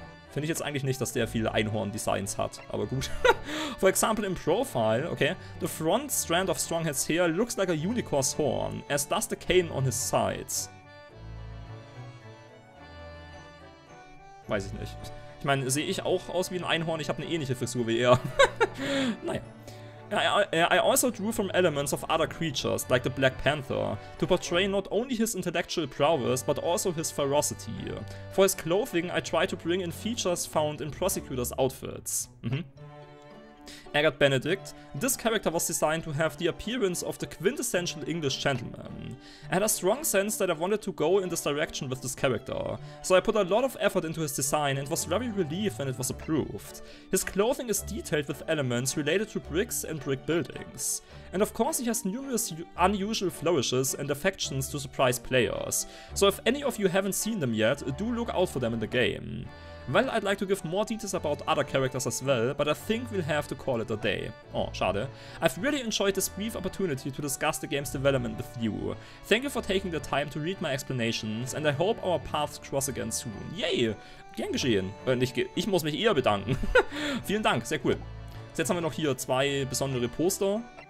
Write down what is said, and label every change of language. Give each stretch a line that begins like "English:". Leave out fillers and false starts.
German: Finde ich jetzt eigentlich nicht, dass der viele Einhorn-Designs hat, aber gut.
English: For example in profile, okay, the front strand of Stronghead's hair looks like a unicorn's horn, as does the cane on his sides.
German: Weiß ich nicht. Ich meine, sehe ich auch aus wie ein Einhorn? Ich habe eine ähnliche Frisur wie er. Naja.
English: I also drew from elements of other creatures, like the Black Panther, to portray not only his intellectual prowess, but also his ferocity. For his clothing, I tried to bring in features found in prosecutors' outfits. Agathe Benedict. This character was designed to have the appearance of the quintessential English gentleman. I had a strong sense that I wanted to go in this direction with this character, so I put a lot of effort into his design and was very relieved when it was approved. His clothing is detailed with elements related to bricks and brick buildings. And of course he has numerous unusual flourishes and affections to surprise players, so if any of you haven't seen them yet, do look out for them in the game. Well, I'd like to give more details about other characters as well, but I think we'll have to call it a day.
German: Oh, schade.
English: I've really enjoyed this brief opportunity to discuss the game's development with you. Thank you for taking the time to read my explanations, and I hope our paths cross again soon.
German: Yay! Gern geschehen. Ich muss mich eher bedanken. Vielen Dank, sehr cool. Jetzt haben wir noch hier zwei besondere Poster.